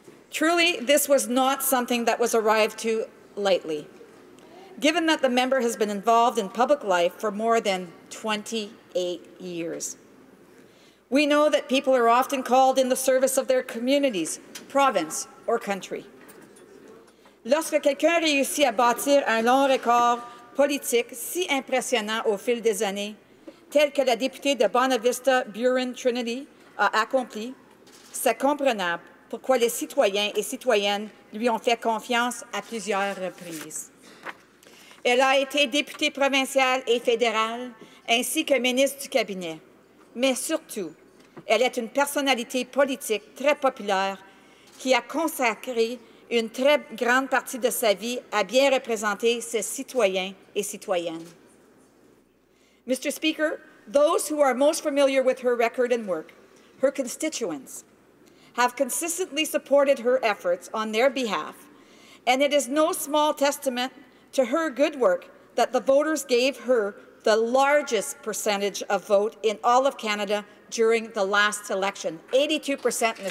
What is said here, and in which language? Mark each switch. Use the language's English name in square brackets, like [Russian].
[English] Truly, this was not something that was arrived to lightly, given that the member has been involved in public life for more than 28 years. We know that people are often called in the service of their communities, province, or country. [French] Lorsque quelqu'un réussit à bâtir un long record politique si impressionnant au fil des années, tel que la députée de Bonavista, Burin, Trinity, a accompli, c'est comprenable pourquoi les citoyens et citoyennes lui ont fait confiance à plusieurs reprises. Elle a été députée provinciale et fédérale, ainsi que ministre du cabinet. Mais surtout, elle est une personnalité politique très populaire qui a consacré une très grande partie de sa vie à bien représenter ses citoyens et citoyennes. [English] Mr. Speaker, those who are most familiar with her record and work, her constituents, have consistently supported her efforts on their behalf, and it is no small testament to her good work that the voters gave her the largest percentage of vote in all of Canada during the last election, 82%, Mr.